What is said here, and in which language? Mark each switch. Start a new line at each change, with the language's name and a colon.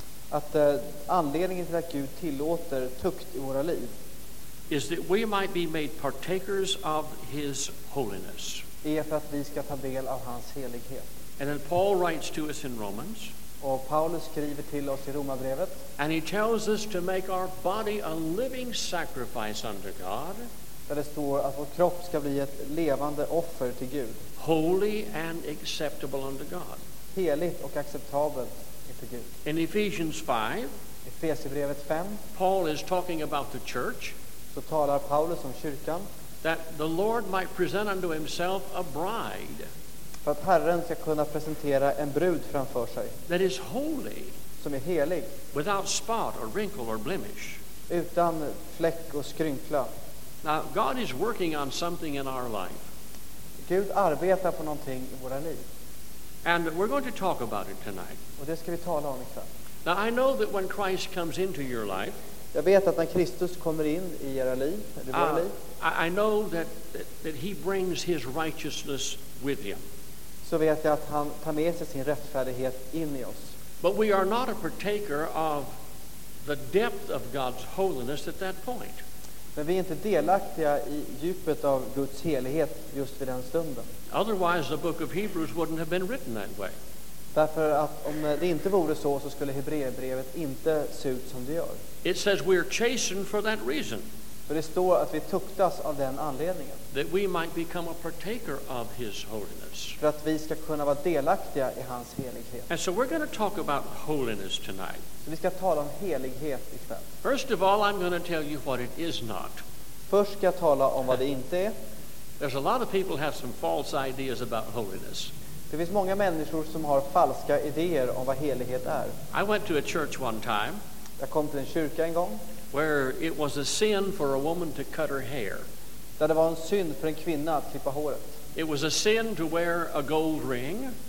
Swedish: Att anledningen till att Gud tillåter tukt i våra liv
English: is that we might be made partakers of his holiness.
Swedish: Är för att vi ska ta del av hans helighet.
English: And then Paul writes to us in Romans.
Swedish: Och Paulus skriver till oss i Romarbrevet.
English: And he tells us to make our body a living sacrifice unto God.
Swedish: Där det står att vår kropp ska bli ett levande offer till Gud.
English: Holy and acceptable unto God.
Swedish: Heligt och acceptabelt inför Gud.
English: In Ephesians 5.
Swedish: Efesierbrevet 5.
English: Paul is talking about the church.
Swedish: Så talar Paulus om kyrkan.
English: That the Lord might present unto himself a bride.
Swedish: För att Herren ska kunna presentera en brud framför sig.
English: That is holy.
Swedish: Som är helig.
English: Without spot or wrinkle or blemish.
Swedish: Utan fläck och skrynkla.
English: Now God is working on something in our life.
Swedish: Gud arbetar på någonting i våra liv.
English: And we're going to talk about it tonight.
Swedish: Och det ska vi tala om ikväll.
English: Now I know that when Christ comes into your life,
Swedish: jag vet att när Kristus kommer in i era liv, eller våra liv,
English: I know that he brings his righteousness with him.
Swedish: Så vet jag att han tar med sig sin rättfärdighet in i oss.
English: But we are not a partaker of the depth of God's holiness at that point.
Swedish: Men vi är inte delaktiga i djupet av Guds helighet just vid den stunden.
English: Otherwise the book of Hebrews wouldn't have been written that way.
Swedish: Därför att om det inte vore så skulle Hebreerbrevet inte se ut som det gör.
English: It says we are chastened for that reason.
Swedish: För det står att vi tuktas av den anledningen.
English: That we might become a partaker of his holiness.
Swedish: För att vi ska kunna vara delaktiga i hans helighet.
English: And so we're going to talk about holiness tonight.
Swedish: Vi ska tala om helighet ikväll.
English: First of all, I'm going to tell you what it is not.
Swedish: Först ska jag tala om vad det inte är.
English: There's a lot of people have some false ideas about holiness.
Swedish: Det finns många människor som har falska idéer om vad helighet är.
English: I went to a church one time.
Swedish: Jag kom till en kyrka en gång.
English: Where it was a sin for a woman to cut her hair.
Swedish: Där det var en synd för en kvinna att klippa håret.
English: It was a sin to wear a gold ring.